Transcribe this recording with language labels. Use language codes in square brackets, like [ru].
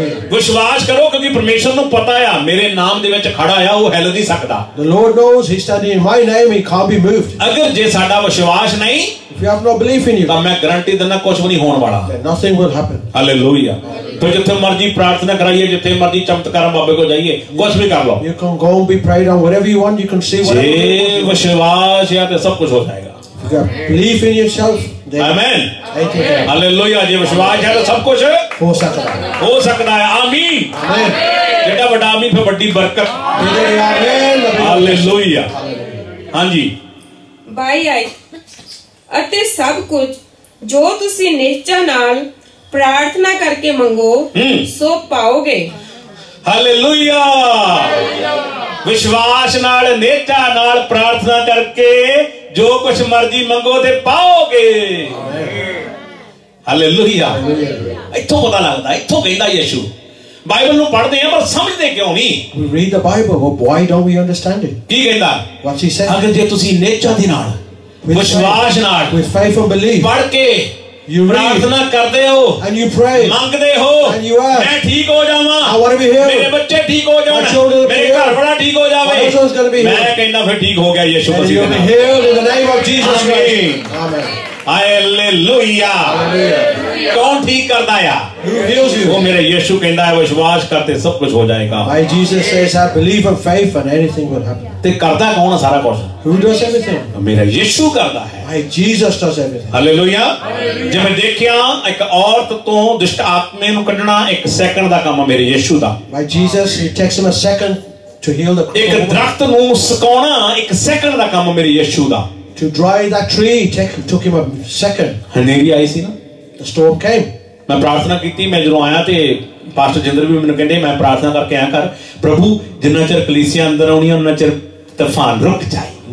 [pa] ਵਿਸ਼ਵਾਸ ਕਰੋ ਕਿਉਂਕਿ ਪਰਮੇਸ਼ਰ ਨੂੰ ਪਤਾ ਆ ਮੇਰੇ ਨਾਮ ਦੇ ਵਿੱਚ ਖੜਾ ਆ ਉਹ ਹਿੱਲ ਨਹੀਂ ਸਕਦਾ. [en] The Lord knows he standing in my name he can't be moved. [pa] ਅਗਰ ਜੇ ਸਾਡਾ ਵਿਸ਼ਵਾਸ ਨਹੀਂ [en] if you have no belief in you [pa] ਤਾਂ ਮੈਂ ਗਾਰੰਟੀ ਦਿੰਦਾ ਕੁਝ ਵੀ ਨਹੀਂ ਹੋਣ ਵਾਲਾ. [en] Nothing will happen. Hallelujah. [pa] ਤੋ ਜਿੱਥੇ ਮਰਜ਼ੀ ਪ੍ਰਾਰਥਨਾ ਕਰਾਈਏ ਜਿੱਥੇ ਮਰਜ਼ੀ ਚਮਤਕਾਰ ਬਾਬੇ ਕੋ ਜਾਈਏ ਕੁਝ ਵੀ ਕਰ ਲਓ. [en] You can go and be prayed on wherever you want you can say whatever. [pa] ਜੇ ਵਿਸ਼ਵਾਸ ਆ ਤੇ ਸਭ ਕੁਝ ਹੋ ਜਾਏਗਾ. [en] You have belief in yourself. [pa] Amen. Hallelujah. ਜੇ ਵਿਸ਼ਵਾਸ ਹੈ ਤਾਂ ਸਭ ਕੁਝ ਹੋ ਸਕਦਾ ਹੈ. ਹੋ ਸਕਦਾ ਹੈ. ਆਮੀਨ. ਆਮੀਨ. ਜਿਹੜਾ ਵੱਡਾ ਆਮੀਨ ਫਿਰ ਵੱਡੀ ਬਰਕਤ. ਆਮੀਨ. ਹਾਲੇਲੂਇਆ. ਹਾਂਜੀ ਬਾਈ ਆਈ ਅਤੇ ਸਭ ਕੁਝ ਜੋ ਤੁਸੀਂ ਨਿਸ਼ਚਾ ਨਾਲ ਪ੍ਰਾਰਥਨਾ ਕਰਕੇ ਮੰਗੋ ਸੋ ਪਾਓਗੇ. ਹਾਲੇਲੂਇਆ. ਵਿਸ਼ਵਾਸ ਨਾਲ ਨਿਸ਼ਚਾ ਨਾਲ ਪ੍ਰਾਰਥਨਾ ਕਰਕੇ ਜੋ ਕੁਛ ਮਰਜ਼ੀ ਮੰਗੋ ਤੇ ਪਾਓਗੇ. ਹਾਲੇਲੂਇਆ. ਇੱਥੋਂ ਪਤਾ ਲੱਗਦਾ ਇੱਥੋਂ ਕਹਿੰਦਾ ਯਿਸੂ. ਬਾਈਬਲ ਨੂੰ ਪੜ੍ਹਦੇ ਆ ਪਰ ਸਮਝਦੇ ਕਿਉਂ ਨਹੀਂ? [en] We read the Bible but why don't we understand it? [pa] ਕੀ ਕਹਿੰਦਾ? [en] What he said. [pa] ਅਗਰ ਜੇ ਤੁਸੀਂ ਨਿਸ਼ਚਾ ਦੇ ਨਾਲ ਵਿਸ਼ਵਾਸ ਨਾਲ [en] with faith and belief [pa] ਪੜ੍ਹ ਕੇ [en] you read [pa] ਪ੍ਰਾਰਥਨਾ ਕਰਦੇ ਹੋ [en] and you pray [pa] ਮੰਗਦੇ ਹੋ [en] and you ask [pa] ਮੈਂ ਠੀਕ ਹੋ ਜਾਵਾਂ [en] how are we here [pa] ਮੇਰੇ ਬੱਚੇ ਠੀਕ ਹੋ ਜਾਣ ਮੇਰੇ ਘਰ ਵਾਲਾ ਠੀਕ ਹੋ ਜਾਵੇ [en] what is going to be [pa] ਮੈਂ ਕਹਿੰਦਾ ਫਿਰ ਠੀਕ ਹੋ ਗਿਆ ਯਿਸੂ ਮਸੀਹ ਦਾ ਨਾਮ [en] healed in the name of Jesus name amen hallelujah [pa] ਕੌਣ ਠੀਕ ਕਰਦਾ ਆ ਉਹ ਮੇਰੇ ਯਿਸੂ ਕਹਿੰਦਾ ਹੈ ਵਿਸ਼ਵਾਸ ਕਰ ਤੇ ਸਭ ਕੁਝ ਹੋ ਜਾਏਗਾ [en] my Jesus says I believe and faith and anything will happen [pa] ਤੇ ਕਰਦਾ ਕੌਣ ਸਾਰਾ ਕੁਝ [en] who does everything [pa] ਮੇਰਾ ਯਿਸੂ ਕਰਦਾ ਹੈ [en] my Jesus does everything [pa] hallelujah ਜੇ ਮੈਂ ਦੇਖਿਆ ਇੱਕ ਔਰਤ ਤੋਂ ਦੁਸ਼ਟ ਆਤਮੇ ਨੂੰ ਕੱਢਣਾ ਇੱਕ ਸੈਕਿੰਡ ਦਾ ਕੰਮ ਹੈ ਮੇਰੇ ਯਿਸੂ ਦਾ [en] my Jesus he takes him a second to heal the [pa] ਇੱਕ ਦਰਖਤ ਨੂੰ ਸੁਕਾਉਣਾ ਇੱਕ ਸੈਕਿੰਡ ਦਾ ਕੰਮ ਮੇਰੇ ਯਿਸੂ ਦਾ [en] to dry that tree took him a second [pa] ਹਨੇਰੀ ਆਈ ਸੀ ਨਾ [en] the storm came [pa] ਮੈਂ ਪ੍ਰਾਰਥਨਾ ਕੀਤੀ ਮੈਂ ਜਦੋਂ ਆਇਆ ਤੇ ਪਾਸਟਰ ਜਿੰਦਰ ਵੀ ਮੈਨੂੰ ਕਹਿੰਦੇ ਮੈਂ ਪ੍ਰਾਰਥਨਾ ਕਰਕੇ ਆਇਆ ਕਰ ਪ੍ਰਭੂ ਜਿੰਨਾ ਚਿਰ ਕਲੀਸੀਆ ਅੰਦਰ ਆਉਣੀ ਉਹਨਾਂ ਚਿਰ ਤੂਫਾਨ ਰੁਕ ਜਾਏ